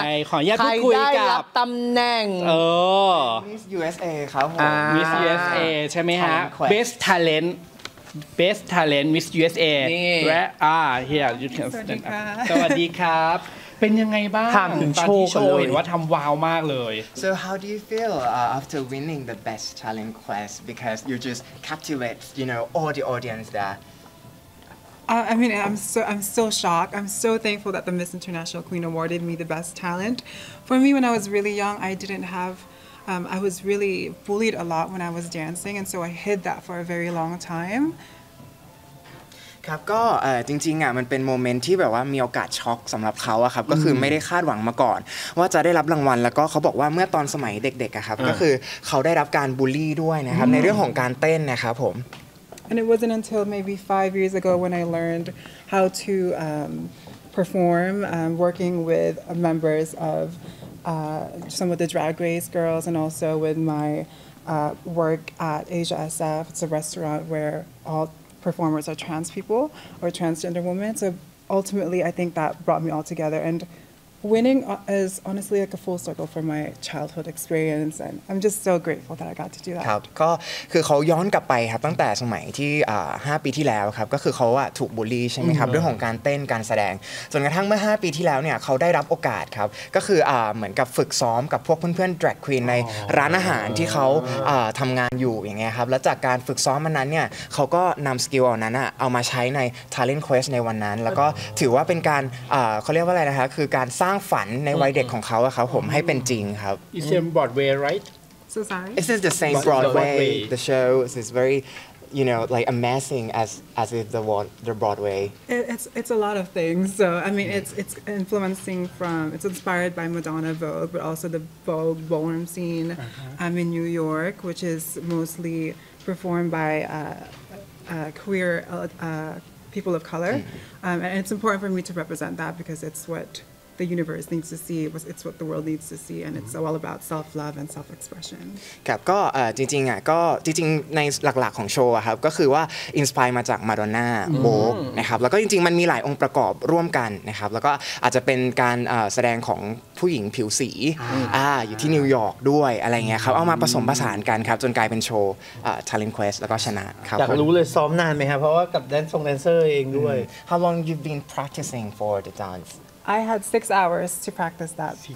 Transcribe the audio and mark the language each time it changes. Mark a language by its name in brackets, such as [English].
[Thai] ขออนุญาตพูดคุยกับ ใครได้รับตำแหน่ง Miss USA ครับ Miss USA ใช่ไหมฮะ Best TalentBest Talent Miss USA และ [English] here you can stand up [Thai] สวัสดีครับเป็นยังไงบ้าง ถามโช คเลยว่าทำวาวมากเลย [English] So how do you feel after winning the Best Talent Quest because you just captivate you know all the audience there I mean, I'm so shocked. I'm so thankful that the Miss International Queen awarded me the Best Talent. For me, when I was really young, I didn't haveI was really bullied a lot when I was dancing, and so I hid that for a very long time. [Thai] ครับก็จริงๆอ่ะมันเป็นโมเมนต์ที่แบบว่ามีโอกาสช็อกสำหรับเขาอะครับก็คือไม่ได้คาดหวังมาก่อนว่าจะได้รับรางวัลแล้วก็เขาบอกว่าเมื่อตอนสมัยเด็กๆอะครับก็คือเขาได้รับการบูลลี่ด้วยนะครับในเรื่องของการเต้นนะครับผม [English] And it wasn't until maybe 5 years ago when I learned how to perform working with members ofsome of the Drag Race girls and also with my work at Asia SF. It's a restaurant where all performers are trans people or transgender women. So ultimately, I think that brought me all together. And winning is honestly like a full circle for my childhood experience. And I'm just so grateful that I got to do that. [Thai] ครับก็คือเขาย้อนกลับไปครับตั้งแต่สมัยที่5ปีที่แล้วครับก็คือเขาถูกบูลลี่ใช่ไหมครับเรื่องของการเต้นการแสดงจนกระทั่งเมื่อ5ปีที่แล้วเนี่ยเขาได้รับโอกาสครับก็คือเหมือนกับฝึกซ้อมกับพวกเพื่อนๆ Drag Queen ในร้านอาหารที่เขาทำงานอยู่อย่างเงี้ยครับแล้วจากการฝึกซ้อมมานั้นเนี่ยเขาก็นำสกิลนั้นเอามาใช้ใน Talent Quest ในวันนั้นแล้วก็ถือว่าเป็นการเขาเรียกว่าอะไรนะคะคือการสร้างฝันในวัยเด็กของเขาครับผมให้เป็นจริงครับ [English] It's the same Broadway, right? So sorry. It's the same Broadway. The show is very, you know, like amazing as if the Broadway. It's a lot of things. So I mean, it's influencing from, it's inspired by Madonna Vogue, but also the Vogue ballroom scene in New York, which is mostly performed by queer people of color. And it's important for me to represent that because it's whatThe universe needs to see. It's what the world needs to see, and it's all about self-love and self-expression. [Thai] ครับก็จริงๆอ่ะก็จริงๆในหลักๆของโชว์ครับก็คือว่าอินสไปร์มาจาก Madonna Vogue นะครับแล้วก็จริงๆมันมีหลายองค์ประกอบร่วมกันนะครับแล้วก็อาจจะเป็นการแสดงของผู้หญิงผิวสีอยู่ที่นิวยอร์กด้วยอะไรเงี้ยครับเอามาผสมผสานกันครับจนกลายเป็นโชว์ Talent Quest แล้วก็ชนะครับอ ยากรู้เลยซ้อมนานไหมครับเพราะว่ากับแดนซ์ทรงแดนเซอร์เองด้วย [English] How long you've been practicing for the dance I had 6 hours to practice that.